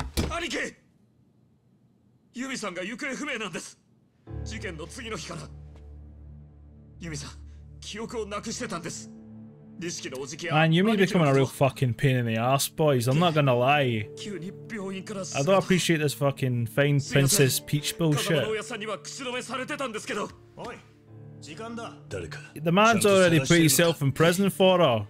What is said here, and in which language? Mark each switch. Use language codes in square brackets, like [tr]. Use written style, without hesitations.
[ja] 兄貴！ユミさんが行方不明なんです。事件の次の日からユミさん記憶をなくしてたんです。リシキのおじきや。 [en] Man, you may become a real fucking pain in the ass, boys. I'm not gonna lie. [ja] 急に病院から。 [en] I don't appreciate this fucking fine princess peach bullshit. [ja] 風間の親さんには口止めされてたんですけど。おい、時間だ。誰か。 [en] The man's already put himself in prison for her.